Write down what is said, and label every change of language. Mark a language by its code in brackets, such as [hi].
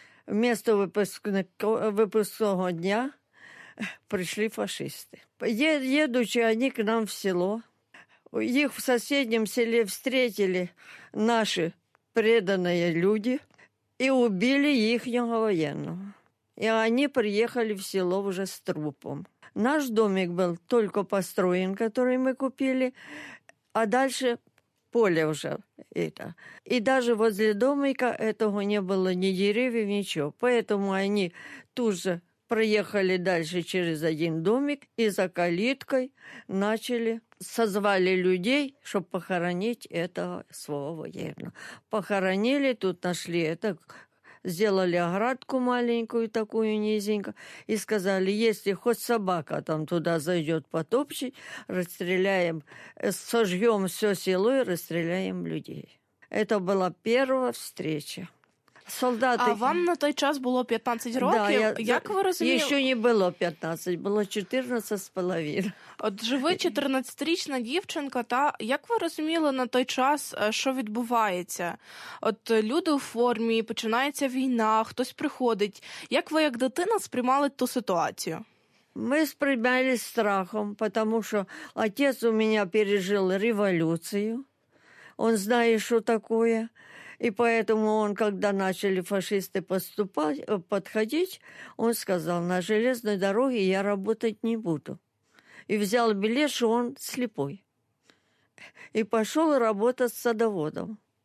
[uk] Вместо випускного дня прийшли фашисти. Їдучи вони к нам в село, їх в сусіднім селі [ru] встретили [uk] наші [ru] преданные люди и убили ихнего военного. И они приехали в село уже с трупом. Наш домик был только построен, который мы купили, а дальше поле уже это. И даже возле домика этого не было ни деревьев, ничего. Поэтому они тут же проехали дальше через один домик и за калиткой начали, созвали людей, [uk] щоб похоронити [ru] этого свого воєнного. Похоронили, тут нашли, это, сделали оградку маленькую, такую низенько, и сказали, если хоть собака там туда зайдет потопчить, расстреляем, сожжем все село и расстреляем людей. Это была первая встреча. [uk] Солдати. А вам на той час було 15 років? [ru] Да, [uk] як ви розумієте? Ще не було 15, було 14,5. От же ви 14-річна дівчинка, та як ви розуміли на той час, що відбувається? От люди у формі, починається війна, хтось приходить. Як ви як дитина сприймали ту ситуацію? Ми сприймали страхом, тому що отець у мене пережив революцію. Он знає, що таке. [ru] И поэтому он, когда начали фашисты поступать, подходить, он сказал, на железной дороге я работать не буду. И взял билет, что он слепой. И пошел работать с садоводом.